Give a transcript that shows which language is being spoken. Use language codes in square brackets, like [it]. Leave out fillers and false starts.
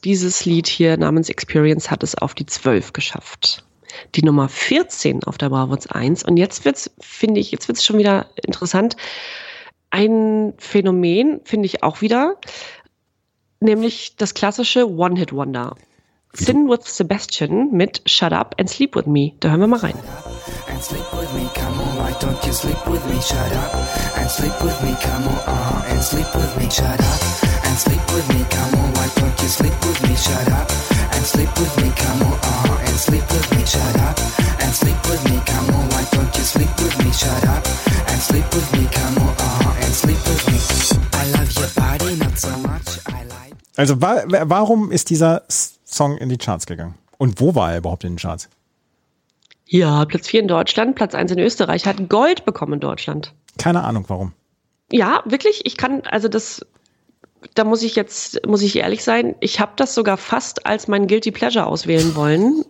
[de] Dieses Lied hier namens Experience hat es auf die 12 geschafft. Die Nummer 14 auf der Bravo 1. Und jetzt wird's, finde ich, jetzt wird's schon wieder interessant. Ein Phänomen finde ich auch wieder. Nämlich das klassische One-Hit-Wonder. Sin with Sebastian mit Shut Up and Sleep With Me. Da hören wir mal rein. [en] And sleep with me, come on, why don't you sleep with me? Shut up and sleep with me, come on, and sleep with me, shut up and sleep with me, come on, why don't you sleep with me? Shut up and sleep with me, come on, and sleep with me, shut up and sleep with me, come on, why don't you sleep with me? Shut up and sleep with me, come on, and sleep with me. I love your body not so much. I like. [de] Also, warum ist dieser Song in die Charts gegangen? Und wo war er überhaupt in den Charts? Ja, Platz 4 in Deutschland, Platz 1 in Österreich, hat Gold bekommen in Deutschland. Keine Ahnung, warum. Ja, wirklich, ich kann, also das, da muss ich jetzt, muss ich ehrlich sein, ich habe das sogar fast als mein Guilty Pleasure auswählen wollen.